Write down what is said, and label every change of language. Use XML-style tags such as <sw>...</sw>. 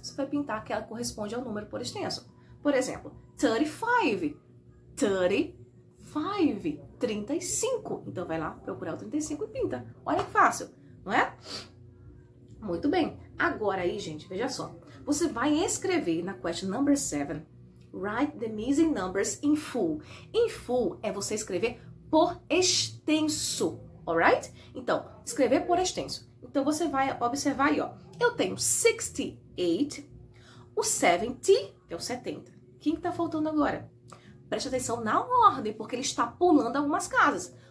<pt>Você vai pintar que ela corresponde ao número por extenso. Por exemplo, 35. 35. 35. Então vai lá procurar o 35 e pinta. Olha que fácil, não é? Muito bem. Agora aí, gente, veja só. Você vai escrever na</pt> <en>question number 7. Write the missing numbers in full.</en> <pt>In full é você escrever por extenso, alright? Então, escrever por extenso. Então, você vai observar aí, ó. Eu tenho 68, o 70, que é o 70. Quem que tá faltando agora? Preste atenção na ordem, porque ele está pulando algumas casas.</pt>